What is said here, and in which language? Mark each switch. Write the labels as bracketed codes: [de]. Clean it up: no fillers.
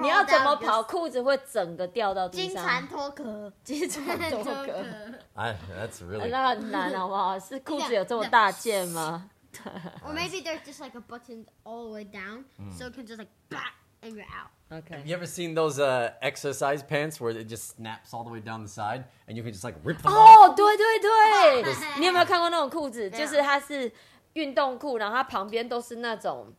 [zh] 你要怎么跑，裤子会整个掉到地上？经常脱壳。经常脱壳。 [en] That's really [zh] 那很难好不好？是裤子有这么大件吗？ [en] Or maybe there's just like a button all the way down, so it can just like back and you're out. Okay. Have you ever seen those exercise pants where it just snaps all the way down the side and you can just like rip them off? [zh] Oh, 对。你有没有看过那种裤子，就是它是运动裤，然后它旁边都是那种